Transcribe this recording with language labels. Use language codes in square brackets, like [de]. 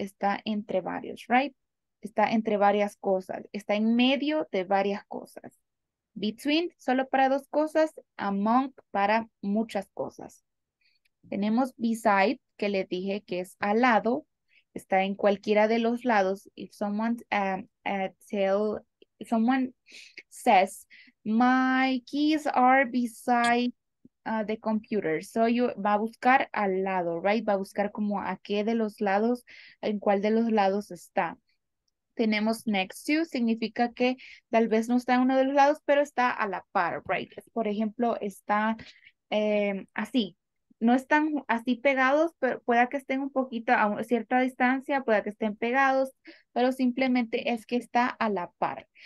[es] Está entre varios, [en] right? [es] Está entre varias cosas. Está en medio de varias cosas. Between, solo para dos cosas. Among, para muchas cosas. Tenemos beside, que le dije que es al lado, está en cualquiera de los lados. [en] If someone if someone says, my keys are beside the computer, so you [es] va a buscar al lado, [en] right? [es] Va a buscar como a qué de los lados, en cuál de los lados está. Tenemos next to, significa que tal vez no está en uno de los lados, pero está a la par, [en] right? [es] Por ejemplo, está así. No están así pegados, pero pueda que estén un poquito a cierta distancia, pueda que estén pegados, pero simplemente es que está a la par.